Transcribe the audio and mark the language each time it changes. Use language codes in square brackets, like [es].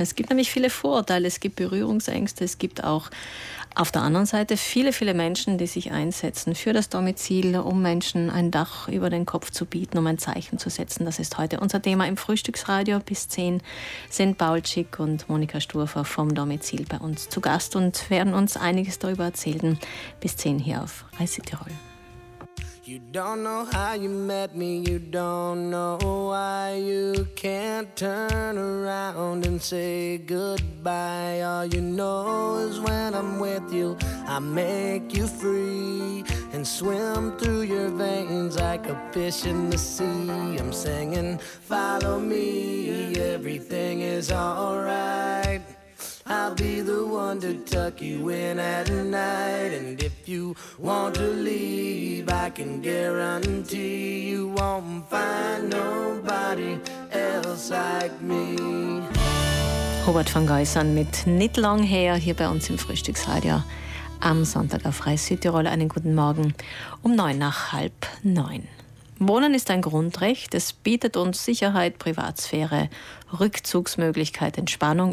[de] Es gibt nämlich viele Vorurteile, es gibt Berührungsängste, es gibt auch auf der anderen Seite viele, viele Menschen, die sich einsetzen für das Domizil, um Menschen ein Dach über den Kopf zu bieten, um ein Zeichen zu setzen. Das ist heute unser Thema im Frühstücksradio. Bis 10 sind Paul Schick und Monika Sturfer vom Domizil bei uns zu Gast und werden uns einiges darüber erzählen. Bis 10 hier auf Reise Tirol. [en] You don't know how you met me, you don't know why you can't turn around and say goodbye. All you know is when I'm with you, I make you free and swim through your veins like a fish in the sea. I'm singing, follow me, everything is alright. I'll be the one to tuck you in at night. And if you want to leave, I can guarantee you won't find nobody else like me. [de] Robert van Geusern mit Knit Long Hair hier bei uns im Frühstücksradio am Sonntag auf Reise Südtirol. Einen guten Morgen um 9:09. Wohnen ist ein Grundrecht. Es bietet uns Sicherheit, Privatsphäre, Rückzugsmöglichkeit, Entspannung.